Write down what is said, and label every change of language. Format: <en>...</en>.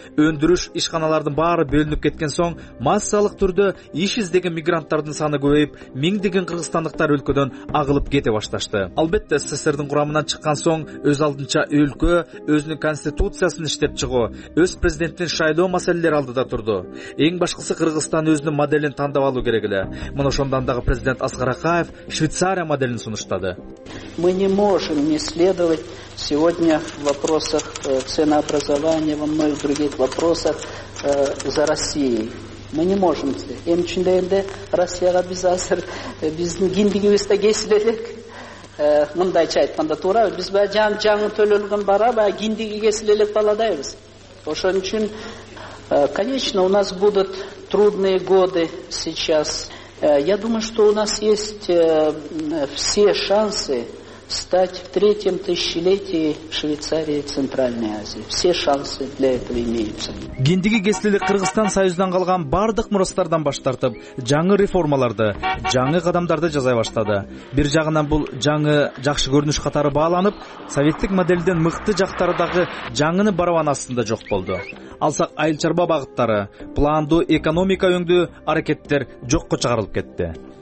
<ky>Өндүрүш ишканалардын баары бөлүнүп кеткен соң, массалык түрдө иш издеген мигранттардын саны көбөйүп, миңдеген кыргызстандыктар өлкөдөн агылып кете башташты. Албетте, СССРдин курамынан чыккан соң, өз алдынча өлкө өзүнүн конституциясын иштеп чыгуу, өз президенттин шайлоо маселелери алдыда турду. Эң башкысы Кыргызстан өзүнүн моделин тандап алуу керек эле. Мына ошондон дагы президент Аскар Акаев Швейцария моделин сунуштады.</ky> <ru>Мы не можем не следовать сегодня в вопросах ценообразования, во многих других вопросах за Россией. Мы не можем.</ru> <ky>Эми чындайында Россияга биз азыр биздин киндигибизде кесип элек. Мындайча айтканда туура, биз жаңы төлөлгөн бара, баягы киндиги кесип элек баладайбыз. Ошон үчүн</ky> <ru>конечно, у нас будут трудные годы сейчас. Я думаю, что у нас есть все шансы стать в третьем тысячелетии Швейцарии и Центральной Азии. Все шансы для этого имеются.</ru> <ky>Киндиги кесилелик Кыргызстан Союзунан калган бардык мурастардан баш тартып, жаңы реформаларды, жаңы кадамдарды жасай баштады. Бир жагынан бул жаңы жакшы көрүнүш катары бааланып, советтик моделден мыкты жактары дагы жаңыны барабанасында жок болду. Алсак айыл чарба багыттары, пландуу экономика өңдүү аракеттер жокко чыгарылып кетти.</ky>